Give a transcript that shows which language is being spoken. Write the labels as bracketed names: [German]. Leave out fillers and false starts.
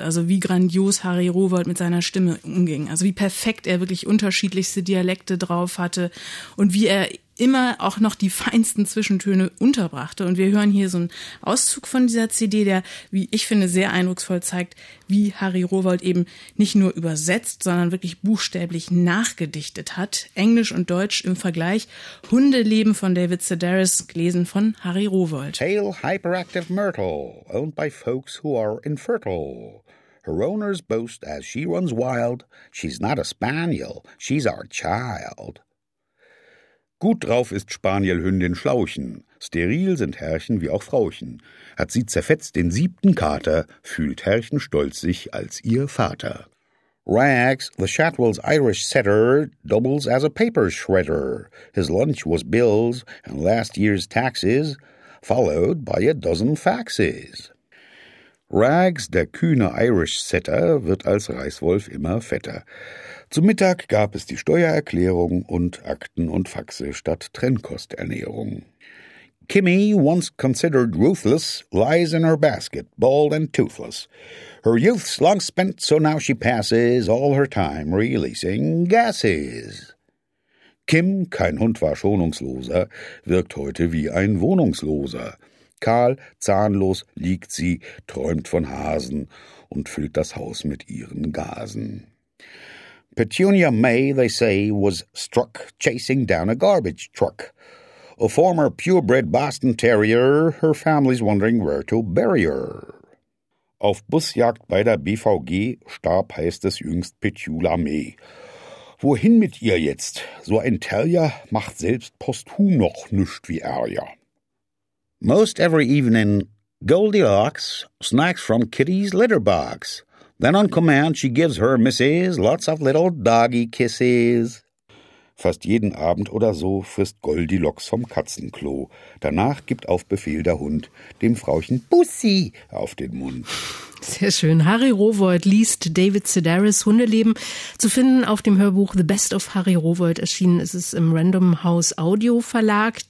[German] Also wie grandios Harry Rowohlt mit seiner Stimme umging. Also wie perfekt er wirklich unterschiedlichste Dialekte drauf hatte und wie er immer auch noch die feinsten Zwischentöne unterbrachte. Und wir hören hier so einen Auszug von dieser CD, der, wie ich finde, sehr eindrucksvoll zeigt, wie Harry Rowohlt eben nicht nur übersetzt, sondern wirklich buchstäblich nachgedichtet hat. Englisch und Deutsch im Vergleich. Hundeleben von David Sedaris, gelesen von Harry Rowohlt. [English] Hail hyperactive Myrtle, owned by folks who are infertile. Her owners boast as she runs wild, she's not a spaniel, she's our child. [German] Gut drauf ist Spanielhündin Schlauchen. Steril sind Herrchen wie auch Frauchen. Hat sie zerfetzt den 7. Kater, fühlt Herrchen stolz sich als ihr Vater. [English] Rags, the Shatwell's Irish setter, doubles as a paper shredder. His lunch was bills and last year's taxes, followed by a dozen faxes. [German] Rags, der kühne Irish setter, wird als Reißwolf immer fetter. Zu Mittag gab es die Steuererklärung und Akten und Faxe statt Trennkosternährung. [English] Kimmy, once considered ruthless, lies in her basket, bald and toothless. Her youth's long spent, so now she passes all her time releasing gases. [German] Kim, kein Hund war schonungsloser, wirkt heute wie ein Wohnungsloser. Kahl, zahnlos, liegt sie, träumt von Hasen und füllt das Haus mit ihren Gasen. [English] Petunia May, they say, was struck chasing down a garbage truck. A former purebred Boston Terrier, her family's wondering where to bury her. [German] Auf Busjagd bei der BVG starb, heißt es jüngst, Petula May. Wohin mit ihr jetzt? So ein Terrier macht selbst posthum noch nüscht wie Arya. [English] Most every evening, Goldilocks snacks from Kitty's litter box. Then on command she gives her missus lots of little doggy kisses. [German] Fast jeden Abend oder so frisst Goldilocks vom Katzenklo. Danach gibt auf Befehl der Hund dem Frauchen Bussi auf den Mund. Sehr schön. Harry Rowohlt liest David Sedaris Hundeleben. Zu finden auf dem Hörbuch The Best of Harry Rowohlt. Erschienen ist es im Random House Audio Verlag.